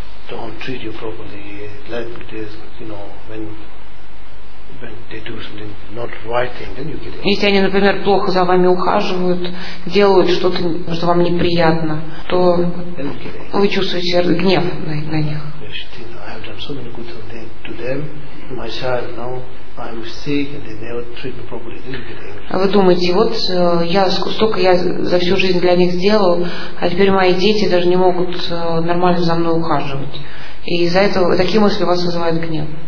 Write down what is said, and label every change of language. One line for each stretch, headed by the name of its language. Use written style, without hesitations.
English: Don't treat you properly, like this, you know, when they do something not right thing, then you get angry.
Russian: Если они, например, плохо за вами ухаживают, делают что-то, что вам неприятно, то вы чувствуете гнев на них.
English: I have done so many good things to them, myself, now I'm sick and they never treat me properly, then you get angry.
Russian: Вы думаете, вот я столько я за всю жизнь для них сделал, а теперь мои дети даже не могут нормально за мной ухаживать. И из-за этого такие мысли у вас вызывают гнев.